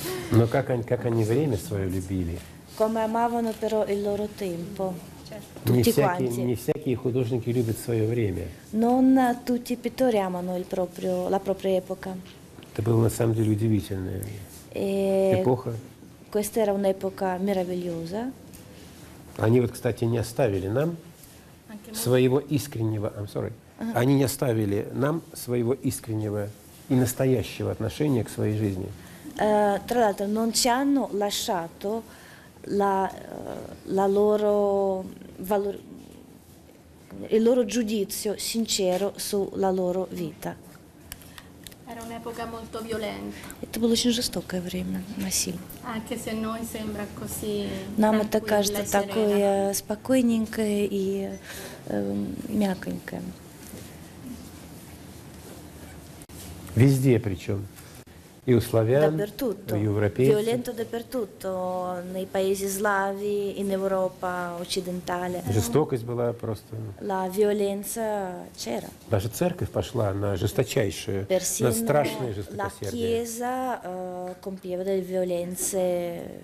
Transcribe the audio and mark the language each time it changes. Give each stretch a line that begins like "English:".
Russian: Но как они время свое любили?
Italian: Come amavano però il loro tempo. Tutti quanti.
Russian: Не всякие художники любят свое время.
Italian: Non tutti i pittori amano il proprio la propria epoca.
Russian: Это было на самом деле удивительное. Эпоха.
Italian: Questa era un'epoca meravigliosa.
Russian: Они вот, кстати, не оставили нам своего искреннего,
English: I'm sorry. Uh-huh.
Russian: Они не оставили нам своего искреннего и настоящего отношения к своей жизни.
Italian: Tra l'altro non ci hanno lasciato la la loro valor, il loro giudizio sincero sulla loro vita. Era un'epoca molto violenta.
Russian: Это было очень жестокое время, насилие.
Italian: Anche se noi sembra così.
Russian: Нам это кажется такое спокойненькое и мягенькое. Везде причем. И у славян, и у европейцев.
Italian: Violento dappertutto, nei paesi slavi, in Europa occidentale.
Russian: Жестокость была просто.
Italian: La violenza c'era.
Russian: Даже церковь пошла на жесточайшее, на страшное жестокосердие.
Italian: La chiesa compieva delle violenze.